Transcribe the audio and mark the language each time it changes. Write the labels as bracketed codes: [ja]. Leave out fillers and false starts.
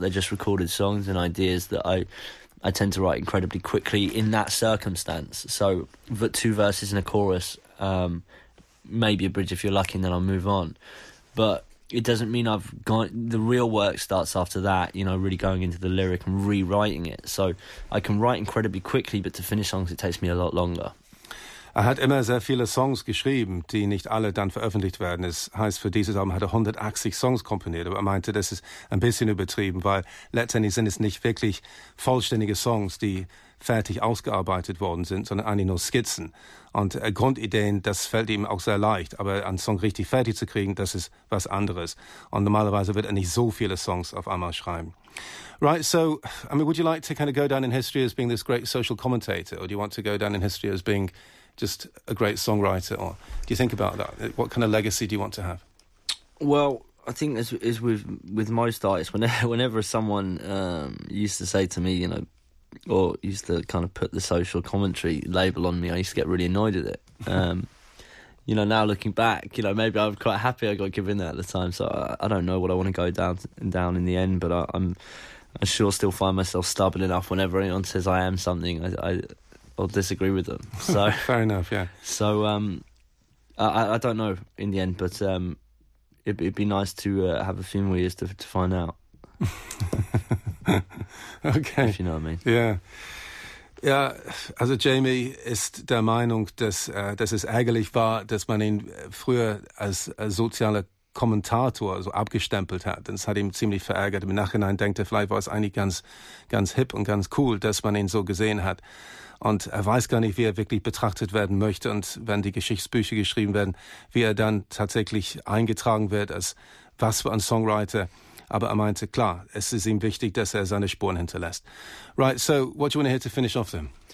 [en] They're just recorded songs and ideas that I tend to write incredibly quickly in that circumstance. So but two verses and a chorus, maybe a bridge if you're lucky, and then I'll move on. But it doesn't mean I've gone... The real work starts after that, you know, really going into the lyric and rewriting it. So I can write incredibly quickly, but to finish songs, it takes me a lot longer. [de] Er hat immer sehr viele Songs geschrieben, die nicht alle dann veröffentlicht werden. Es heißt, für dieses Album hat er 180 Songs komponiert. Aber er meinte, das ist ein bisschen übertrieben, weil letztendlich sind es nicht wirklich vollständige Songs, die fertig ausgearbeitet worden sind, sondern eigentlich nur Skizzen. Und Grundideen, das fällt ihm auch sehr leicht. Aber einen Song richtig fertig zu kriegen, das ist was anderes. Und normalerweise wird er nicht so viele Songs auf einmal schreiben. [en] Right, so, I mean, would you like to kind of go down in history as being this great social commentator? Or do you want to go down in history as being just a great songwriter? Or do you think about that? What kind of legacy do you want to have? Well, I think as with most artists, whenever someone used to say to me, you know, or used to kind of put the social commentary label on me, I used to get really annoyed at it. You know, now looking back, you know, maybe I'm quite happy I got given that at the time. So I don't know what I want to go down in the end, but I'm sure still find myself stubborn enough whenever anyone says I am something, I'll disagree with them. So fair enough, yeah. So I don't know in the end, but it'd be nice to have a few more years to find out. Okay. If you know what I mean. Yeah. [de] Ja, also Jamie ist der Meinung, dass es ärgerlich war, dass man ihn früher als sozialer Kommentator so abgestempelt hat. Das hat ihn ziemlich verärgert. Im Nachhinein denkt er, vielleicht war es eigentlich ganz, ganz hip und ganz cool, dass man ihn so gesehen hat. Und er weiß gar nicht, wie er wirklich betrachtet werden möchte. Und wenn die Geschichtsbücher geschrieben werden, wie er dann tatsächlich eingetragen wird als was für ein Songwriter. Aber er meinte, klar, es ist ihm wichtig, dass er seine Spuren hinterlässt. [en] Right, so, what do you want to hear to finish off then?